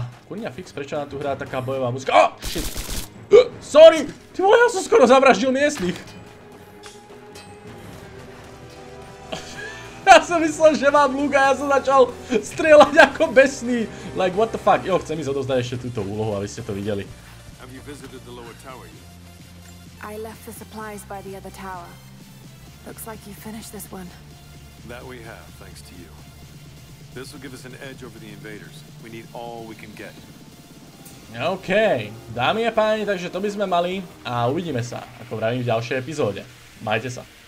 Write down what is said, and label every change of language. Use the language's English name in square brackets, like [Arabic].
[Slovak] Kurňa fix, prečo na tu hrá taká bojová muzika? [English] Oh, shit! Sorry! [Slovak] Ty vole, ja som skoro zavraždil miestnych! Ja som myslel, že mám luk a ja som začal strieľať ako besný. [English] Like, what the fuck? [Slovak] Jo, chcem ísť odovzdať ešte túto úlohu, aby ste to videli. [English] Have you visited the lower tower yet? I left the supplies by the other tower. Looks like you finished this one. That we have, thanks to you. This will give us an edge over the invaders. We need all we can get. [Slovak] OK, dámy a páni, takže to by sme mali a uvidíme sa, ako vravím v ďalšej epizóde. Majte sa.